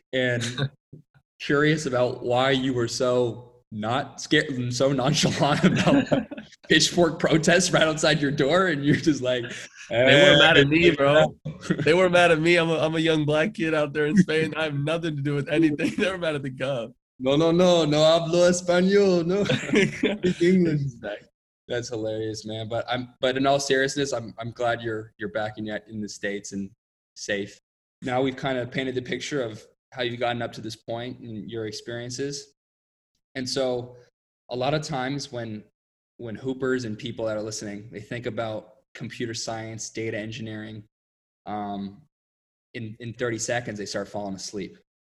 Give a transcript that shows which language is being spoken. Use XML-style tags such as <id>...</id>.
<en>And curious about why you were so not scared and so nonchalant about pitchfork protests right outside your door, and you're just like, they weren't mad at me, bro. They weren't mad at me. I'm a young black kid out there in Spain. I have nothing to do with anything. They're mad at the gov.</en> <es>No hablo español, no English.</es> <en>That's hilarious, man. But in all seriousness, I'm glad you're back in the States and safe. Now we've kind of painted the picture of how you've gotten up to this point and your experiences. And so a lot of times when hoopers and people that are listening, they think about computer science, data engineering, in 30 seconds, they start falling asleep.</en>